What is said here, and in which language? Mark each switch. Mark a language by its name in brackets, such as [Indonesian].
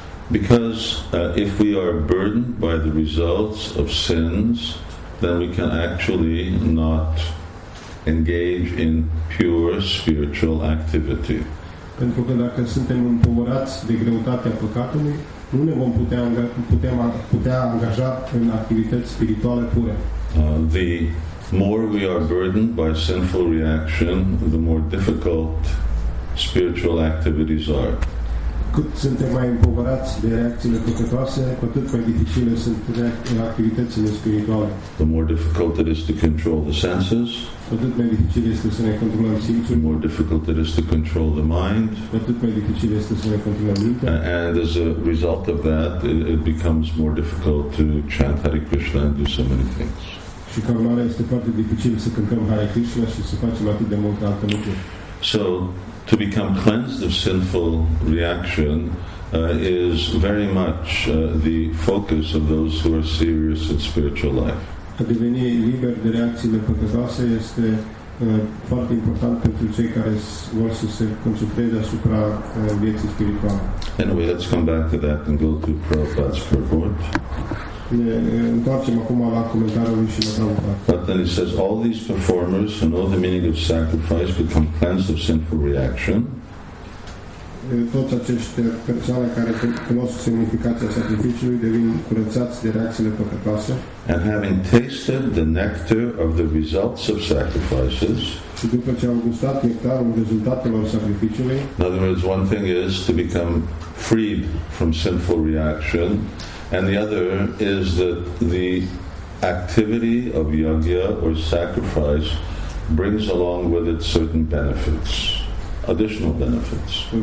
[English] Because if we are burdened by the results of sins, then we can actually not engage in pure spiritual activity. [Romanian] Pentru că dacă suntem împovărați de greutatea păcatului, nu ne vom putea angaja în activități spirituale pure. [English] The more we are burdened by sinful reaction, the more difficult spiritual activities are. [Romanian] Cât suntem mai împovărați de reacțiile păcătoase, cu atât mai dificile sunt activitățile spirituale. [English] The more difficult it is to control the senses, [Romanian] cu atât mai dificil este să ne controlăm simțul, [English] the more difficult it is to control the mind, [Romanian] cu atât mai dificil este să ne controlăm mintea, [English] and as a result of that, it becomes more difficult to chant Hare Krishna and do so many things. [Romanian] Și ca urmare este foarte dificil să cântăm Hare Krishna și să facem atât de multe alte lucruri. [English] So, to become cleansed of sinful reaction is very much the focus of those who are serious in spiritual life. [Romanian] A deveni liber de reacțiile păcătoase este foarte important pentru cei care vor să se concentreze asupra vieții spirituale. [English] Anyway, let's come back to that and go to Prabhupada's purport. [Romanian] Întoarcem acum la comentariul lui Shrila Prabhupada. [English] But then he says, all these performers who know the meaning of sacrifice become cleansed of sinful reaction. [Romanian] Toți acești persoane care cunosc semnificația sacrificiului devin curățați de reacțiile păcătoase. [English] And having tasted the nectar of the results of sacrifices. [Romanian] Și după ce au gustat nectarul rezultatelor sacrificiului. [English] In other words, one thing is to become freed from sinful reaction. And the other is that the activity of yagya or sacrifice brings along with it certain benefits, additional benefits.